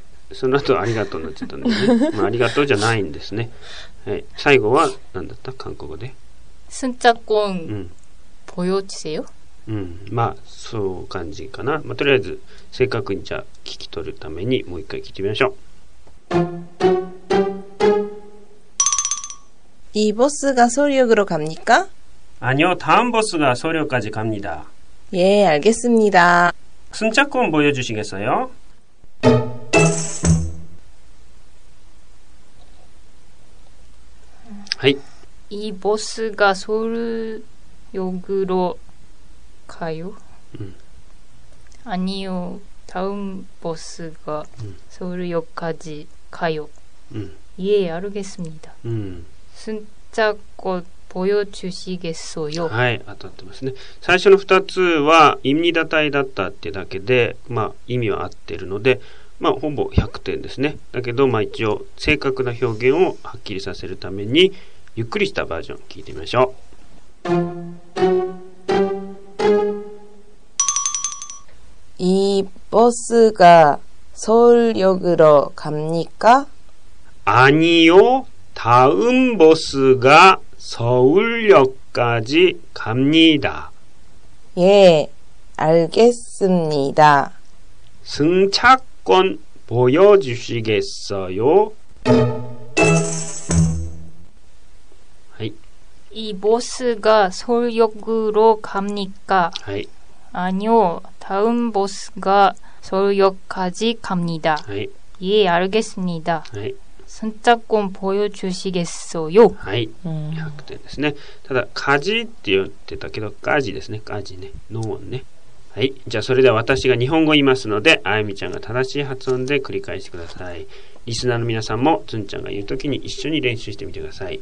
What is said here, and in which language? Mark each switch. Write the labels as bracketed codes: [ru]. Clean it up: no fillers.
[ja] その後ありがとうになっちゃったんですね。まあ、ありがとうじゃないんですね。はい、最後は何だった？韓国語で。 [ko] 승차권보여주세요。 [ja] まあそう感じかな。まあ、とりあえず正確にじゃ聞き取るためにもう一回聞いてみましょう。 [ko] 이버스가서울역으로갑니까？ 아니요다음버스가서울역까지갑니다。 예알겠습니다。 승차권보여주시겠어요？ はい。 이버스가서울역으로가요？ 아니요다음버스가서울역까지가요？ 예알겠습니다。 승차권보여주시겠어요。 [ja] はい、当たってますね。最初の2つは입니다体だったってだけで、まあ意味は合ってるので、まあほぼ100点ですね。だけど、まあ一応正確な表現をはっきりさせるためにゆっくりしたバージョン聞いてみましょう。 [ko] 이버스가서울역으로갑니까？ 아니요다음버스가서울역까지갑니다。 예알겠습니다。 승차권보여주시겠어요？ [ja] はい。 [ko] 이버스가서울역으로갑니까？ [ja] はい。 [ko] 아니요다음버스가서울역까지갑니다。 [ja] はい。 [ko] 예알겠습니다。 [ja] はい。 [ko] 승차권보여주시겠어요？ [ja] はい、100点ですね。ただ、かじって言ってたけど、かじですね、かじね、のんね。ははい、じゃあそれでは私が日本語言いますので、あやみちゃんが正しい発音で繰り返してください。リスナーの皆さんもつんちゃんが言うときに一緒に練習してみてください。